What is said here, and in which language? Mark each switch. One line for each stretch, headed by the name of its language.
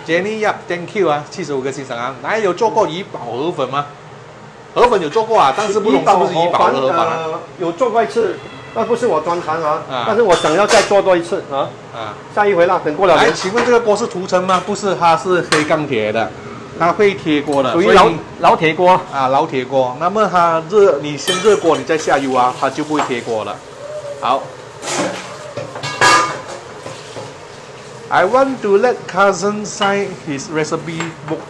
Chinese: Jenny Yap,
English: thank you
Chinese: 啊，75个欣赏啊。来，有做过怡宝河粉吗？河粉有做过啊，但是不懂是不是怡宝河粉啊。有做过一次。那不是我专长 啊，但是我想要再做多一次啊。啊，下一回啦，等过了年。来，请问这个锅是涂层吗？不是，它是黑钢铁的，它会贴锅的，属于老铁锅啊，老铁锅。那么它热，你先热锅，你再下油啊，它就不会贴锅了。
English: 好 ，I want to let cousin sign his recipe book.